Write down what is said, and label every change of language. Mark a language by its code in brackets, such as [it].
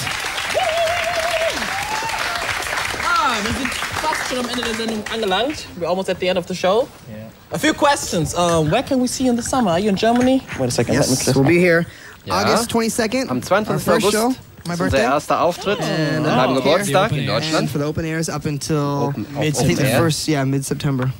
[de] Ah, wir sind fast schon am Ende der Sendung angelangt. [en] We're almost at the end of the show. Yeah. A few questions. Where can we see you in the summer? Are you in Germany? Wait a second. Yes, let me we'll be here. Yeah. August 22nd. [de] Am 22. [en] Our first [de] August. [en] Show. [de] unser erster Auftritt an meinem Geburtstag in Deutschland. [en] For the open airs up until mid-September.